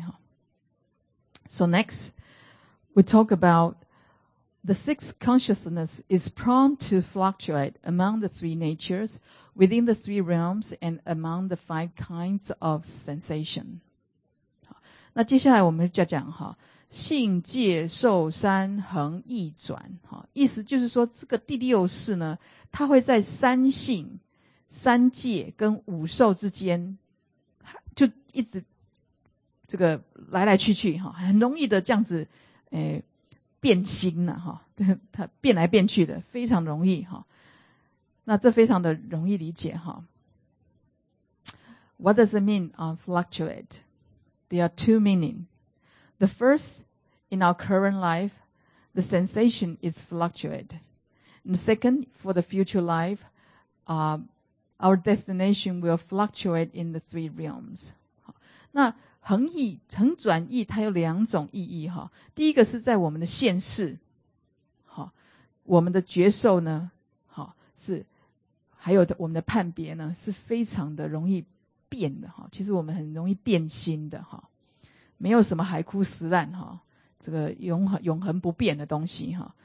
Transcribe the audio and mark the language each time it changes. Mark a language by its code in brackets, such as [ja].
[en] 好， So next we talk aboutThe sixth consciousness is prone to fluctuate among the three natures, within the three realms, and among the five kinds of sensation. [zh] 好，那接下来我们就讲哈，性界受三恒易转，意思就是说这个第六识呢，它会在三性、三界跟五受之间，就一直这个来来去去，很容易的这样子，变心啊，它变来变去的非常容易，那这非常的容易理解。 [en] What does it mean on fluctuate? There are two meanings. The first, in our current life, the sensation is fluctuate. The second, for the future life, our destination will fluctuate in the three realms. [zh] 那恒逸恒转逸它有两种意义，第一个是在我们的现世，我们的觉受呢是还有我们的判别呢是非常的容易变的，其实我们很容易变心的，没有什么海枯石烂，这个永恒不变的东西。